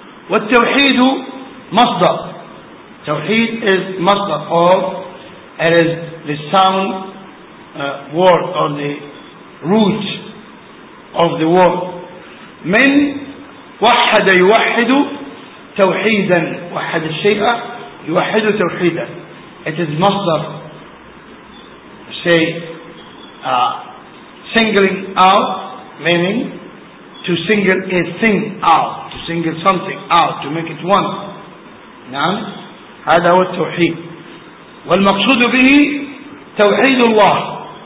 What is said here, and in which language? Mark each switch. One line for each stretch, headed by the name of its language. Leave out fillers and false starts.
Arabic: والتوحيد مصدر,
English: توحيد is مصدر, or it is the sound word or the root of the word.
Arabic: من وحد يوحد توحيدا, وحد الشيء يوحد توحيدا.
English: It is مصدر, say singling out, meaning to single a thing out, to single something out, to make it one.
Arabic: نعم, هذا هو التوحيد. والمقصود به توحيد الله.